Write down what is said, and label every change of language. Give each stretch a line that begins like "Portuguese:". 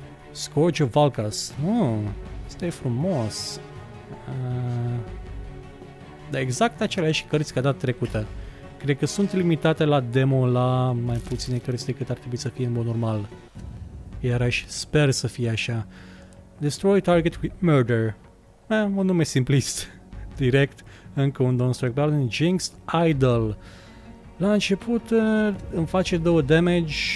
Romanian: Scourge of Valkas. Stai frumos. Dar exact aceleași cărți ca data trecută. Cred că sunt limitate la demo la mai puține cărți decât ar trebui să fie în mod normal. Iarăși sper să fie așa.
English: Destroy target with murder.
Romanian: Un nume simplist. Direct. Încă un Dawnstrike Paladin. Jinx Idol. La început îmi face 2 damage.